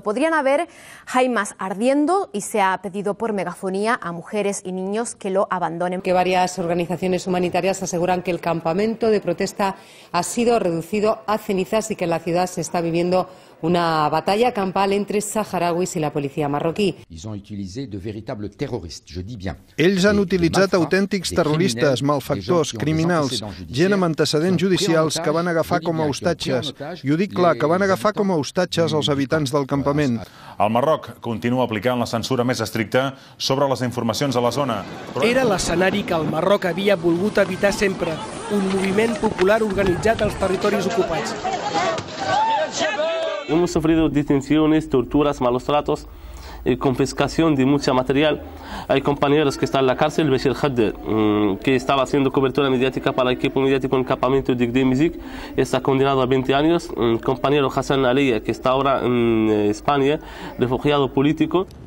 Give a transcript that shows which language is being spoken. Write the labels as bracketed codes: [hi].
[es] Podrían haber jaimas ardiendo y se ha pedido por megafonía a mujeres y niños que lo abandonen. Que varias organizaciones humanitarias aseguran que el campamento de protesta ha sido reducido a cenizas y que en la ciudad se está viviendo una batalla campal entre saharauis y la policía marroquí. [fr] Ils ont utilisé de véritables terroristes, je dis bien. [ca] Ells han utilitzat autèntics terroristes, malfactors, criminals, gent amb antecedents judicials que van agafar com a hostatges. I ho dic clar, que van agafar com a hostatges els habitants del campament. El Marroc continua aplicant la censura més estricta sobre les informacions de la zona. Era l'escenari que el Marroc havia volgut evitar sempre, un moviment popular organitzat als territoris ocupats. [es] Hemos sufrido detenciones, torturas, malos tratos y confiscación de mucho material. Hay compañeros que están en la cárcel, Bashir Khadr, que estaba haciendo cobertura mediática para el equipo mediático en el campamento de Gdemizik, está condenado a 20 años. Compañero Hassan Aliya, que está ahora en España, refugiado político.